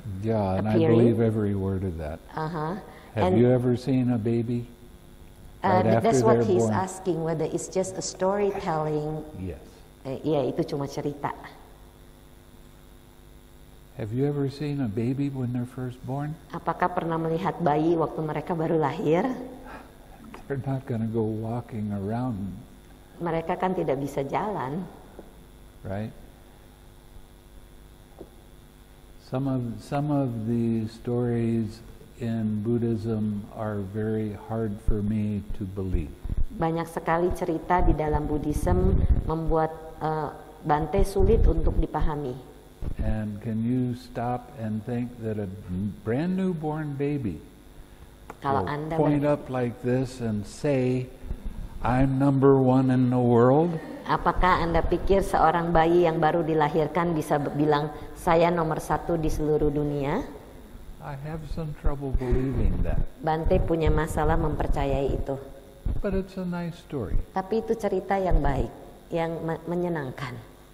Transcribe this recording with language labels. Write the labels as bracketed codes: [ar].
[en] Yeah, and appearing. I believe every word of that. Uh-huh. Have you ever seen a baby? Right after that's what he's born? Asking, whether it's just a storytelling. Yes. [id] Yeah, itu cuma cerita. [en] Have you ever seen a baby when they're first born? [id] Apakah pernah melihat bayi waktu mereka baru lahir? [en] They're not going to go walking around. [id] Mereka kan tidak bisa jalan. [en] Right? Some of the stories in Buddhism are very hard for me to believe. [id] Banyak sekali cerita di dalam Buddhism membuat Bante sulit untuk dipahami. [en] And can you stop and think that a brand newborn baby [id] kalau [en] will [id] Anda [en] point up like this and say, I'm number one in the world? [id] Apakah Anda pikir seorang bayi yang baru dilahirkan bisa bilang, saya nomor satu di seluruh dunia? [en] I have some trouble believing that. [id] Bante punya masalah mempercayai itu. [en] But it's a nice story. [id] Tapi itu cerita yang baik, yang menyenangkan.